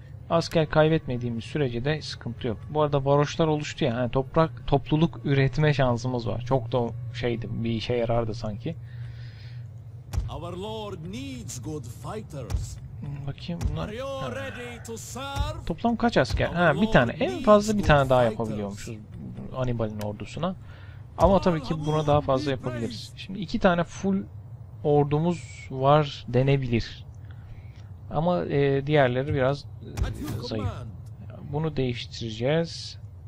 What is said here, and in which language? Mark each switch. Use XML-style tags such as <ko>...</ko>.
<tr>Asker kaybetmediğimiz sürece de sıkıntı yok. Bu arada varoşlar oluştu ya, yani topluluk üretme şansımız var. Çok da şeydi, bir işe yarardı sanki.</tr> <en>Our Lord needs good fighters.</en> <tr>Bakayım bunlar.</tr> <en>Are you ready to serve?</en> <tr>Toplam kaç asker? Ha, bir tane. En fazla bir tane daha yapabiliyormuşuz Anibal'in ordusuna. Ama tabii ki buna daha fazla yapabiliriz. Şimdi iki tane full ordumuz var denebilir. Ama diğerleri biraz zayıf. Bunu değiştireceğiz.</tr>